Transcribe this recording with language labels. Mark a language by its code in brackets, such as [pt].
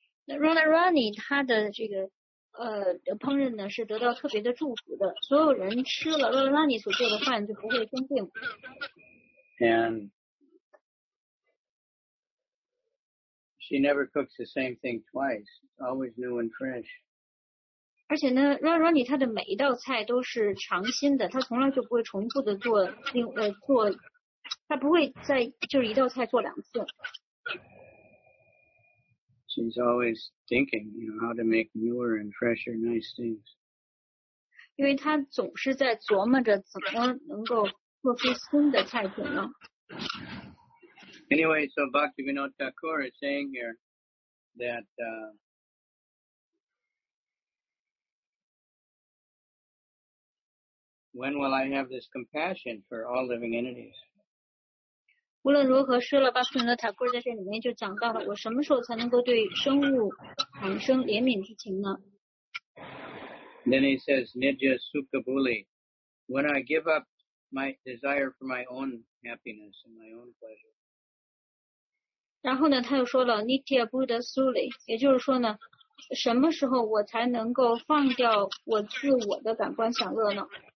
[zh] Radharani, 她的这个烹饪呢是得到特别的祝福的，所有人吃了 Radharani 所做的饭就不会生病。 [en] And she never cooks the same thing twice. It's always new and fresh. [zh] 而且呢 ，Radharani 她的每一道菜都是尝新的，她从来就不会重复的做做，她不会再就是一道菜做两次。 [en] She's always thinking, you know, how to make newer and fresher, nice things. [zh] 因为她总是在琢磨着怎么能够做出新的菜品呢。 [en] Anyway, so Bhaktivinoda Thakur is saying here that. When will I have this compassion for all living entities? [zh] 无论如何，舍勒巴斯的塔库尔在这里面就讲到了，我什么时候才能够对生物产生怜悯之情呢？ [en] Then he says, [bn] Nidya Sukabuli, [en] when I give up my desire for my own happiness and my own pleasure. [zh] 然后呢，他又说了 Nidya Buddha Suli, 也就是说呢，什么时候我才能够放掉我自我的感官享乐呢？